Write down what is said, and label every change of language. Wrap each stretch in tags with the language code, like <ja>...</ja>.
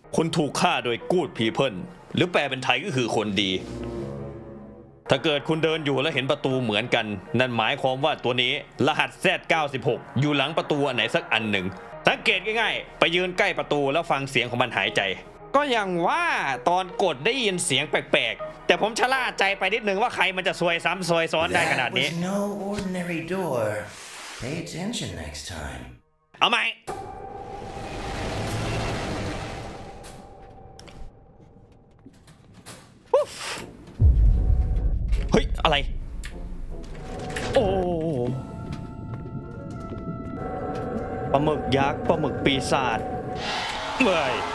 <th>คนถูกฆ่าโดยกู๊ดพีเพิลหรือแปลเป็นไทยก็คือคนดีถ้าเกิดคุณเดินอยู่และเห็นประตูเหมือนกันนั่นหมายความว่าตัวนี้รหัส Z96 อยู่หลังประตูอันไหนสักอันหนึ่งสังเกตง่ายๆไปยืนใกล้ประตูแล้วฟังเสียงของมันหายใจ ก็ยังว่าตอนกดได้ยินเสียงแปลกๆแต่ผมชะล่าใจไปนิดนึงว่าใครมันจะซวยซ้ำซวยซ้อนได้ขนาดนี้</th> <en>That was no ordinary door. Pay attention next time.</en> <th>เอาไหมเฮ้ยอะไรโอ้ปลาหมึกยักษ์ปลาหมึกปีศาจเมื่อย</th>